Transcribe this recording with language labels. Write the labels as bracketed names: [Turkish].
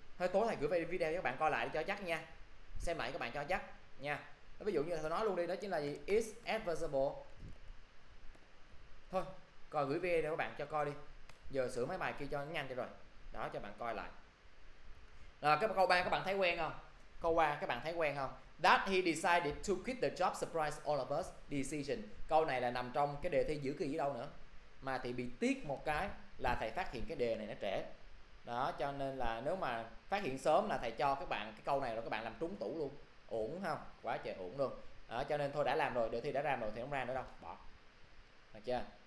[Vietnamese] Hơi tối thầy gửi về video cho các bạn coi lại cho chắc nha. Xem lại các bạn cho chắc nha. Ví dụ như là tôi nói luôn đi, đó chính là gì? [English] Is advisable. [Vietnamese] Thôi, coi gửi video cho các bạn cho coi đi. Giờ sửa mấy bài kia cho nhanh cho rồi. Đó, cho bạn coi lại. Rồi, cái câu 3 các bạn thấy quen không? Câu 3 các bạn thấy quen không? [English] That he decided to quit the job surprise all of us decision. [Vietnamese] Câu này là nằm trong cái đề thi giữa kỳ gì đâu nữa. Mà thì bị tiếc một cái là thầy phát hiện cái đề này nó trễ đó, cho nên là nếu mà phát hiện sớm là thầy cho các bạn cái câu này rồi các bạn làm trúng tủ luôn, uổng không, quá trời uổng luôn. À, cho nên thôi đã làm rồi, đề thi đã ra rồi thì không ra nữa đâu, bỏ. Được chưa?